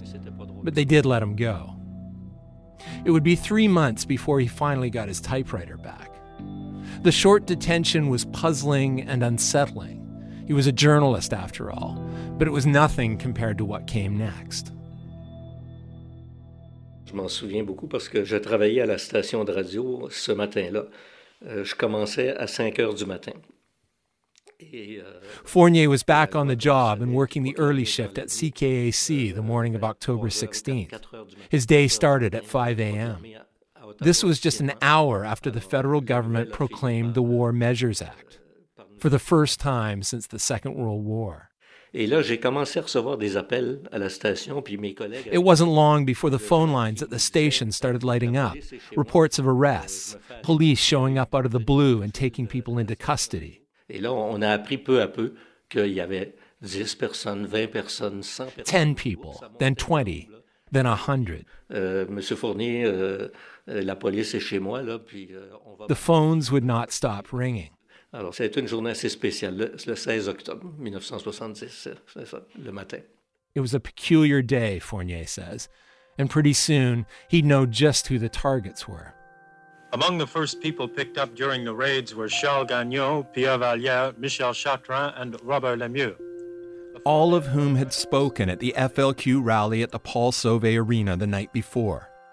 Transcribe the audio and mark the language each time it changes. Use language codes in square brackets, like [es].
[en] But they did let him go. It would be 3 months before he finally got his typewriter back. The short detention was puzzling and unsettling. He was a journalist, after all, but it was nothing compared to what came next. [fr] Je m'en souviens beaucoup parce que je travaillais à la station de radio ce matin-là. Je commençais à 5 heures du matin. [en] Fournier was back on the job and working the early shift at CKAC the morning of October 16th. His day started at 5 a.m. This was just an hour after the federal government proclaimed the War Measures Act, for the first time since the Second World War. [fr] Et là, j'ai commencé à recevoir des appels à la station, puis mes collègues... [en] It wasn't long before the phone lines at the station started lighting up. Reports of arrests, police showing up out of the blue and taking people into custody. [fr] Et là, on a appris peu à peu qu'il y avait 10 personnes, 20 personnes, 100 personnes. [en] 10 people, then 20, then 100. [fr] Monsieur Fournier, la police est chez moi là, puis on va. [en] The phones would not stop ringing. [fr] Alors, c'est une journée assez spéciale, le 16 octobre 1970, c'est ça, le matin. [en] It was a peculiar day, Fournier says, and pretty soon he'd know just who the targets were. Among the first people picked up during the raids were Charles Gagnon, Pierre Valliere, Michel Chartrain, and Robert Lemieux. All of whom had spoken at the FLQ rally at the Paul Sauvé Arena the night before.